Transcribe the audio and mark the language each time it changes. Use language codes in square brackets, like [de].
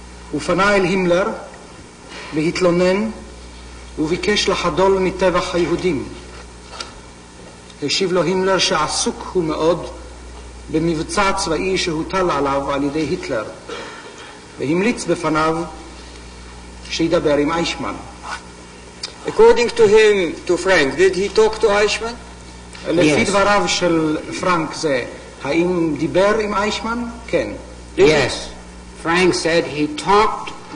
[he] הוא פנה אל הימלר והתלונן וביקש לחדול מטבח היהודים. השיב לו הימלר שעסוק הוא מאוד במבצע צבאי שהוטל עליו על ידי היטלר, והמליץ בפניו שידבר עם אייכמן. [en] According to him, to Frank, did he talk to Eichmann? [he] לפי דבריו של פרנק זה, האם דיבר עם אייכמן? כן. [en] Yes. Frank said he talked